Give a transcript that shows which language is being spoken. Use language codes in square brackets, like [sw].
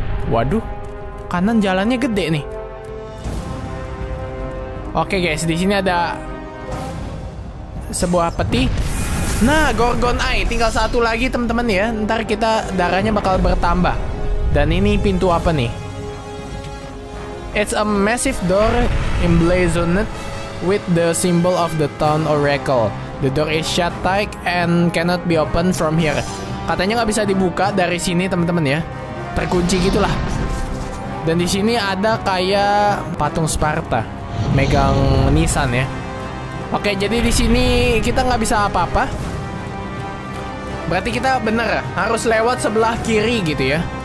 [id] Waduh, kanan jalannya gede nih. Oke, guys, di sini ada sebuah peti. Nah, Gorgon Eye tinggal satu lagi, teman-teman ya. Ntar kita darahnya bakal bertambah. Dan ini pintu apa nih? [en] It's a massive door emblazoned with the symbol of the town oracle. The door is shut tight and cannot be opened from here. [id] Katanya nggak bisa dibuka dari sini, teman-teman ya. Terkunci gitulah. Dan di sini ada kayak patung Sparta megang nisan ya. Oke, jadi di sini kita nggak bisa apa-apa. Berarti kita bener harus lewat sebelah kiri gitu ya.